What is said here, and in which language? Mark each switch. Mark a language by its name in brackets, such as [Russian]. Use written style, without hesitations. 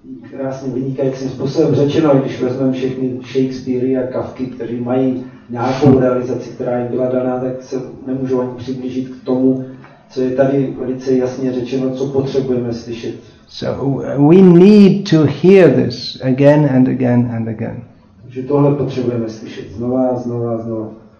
[Czech] Krásně vynikajícím způsobem řečeno, když vezmeme všechny Shakespeare a Kafky, kteří mají nějakou realizaci, která jim byla daná, tak se nemůžou ani přiblížit k tomu, co je tady velice jasně řečeno, co potřebujeme slyšet. [English] So we need to hear this again and again and again. [Czech] Takže tohle potřebujeme slyšet znova a znova a znova.